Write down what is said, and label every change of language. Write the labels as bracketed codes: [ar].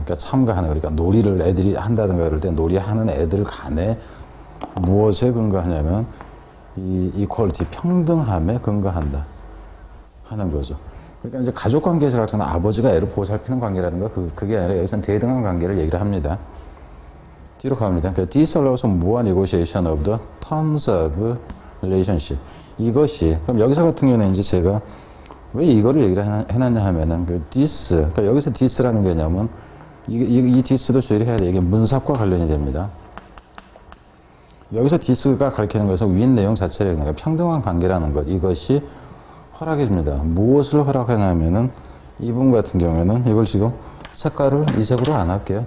[ko] 그러니까 참가하는, 그러니까 놀이를 애들이 한다든가 그럴 때 놀이하는 애들 간에 무엇에 근거하냐면 이 이퀄리티, 평등함에 근거한다 하는 거죠. 그러니까 이제 가족 관계에서 같은 아버지가 애를 보살피는 관계라든가 그게 아니라 여기서는 대등한 관계를 얘기를 합니다. 뒤로 갑니다. 그러니까 [en] this allows more negotiation of the terms of relationship. [ko] 이것이, 그럼 여기서 같은 경우는 이제 제가 왜 이거를 얘기를 해놨냐 하면은, 그, this, 그러니까 여기서 this라는 개념은, 이 this도 주의를 해야 돼. 이게 문삽과 관련이 됩니다. 여기서 this가 가르치는 것은 윈 내용 자체를 얘기하는 거예요. 평등한 관계라는 것. 이것이 허락이 됩니다. 무엇을 허락하냐면은, 이분 같은 경우에는 이걸 지금 색깔을 이 색으로 안 할게요.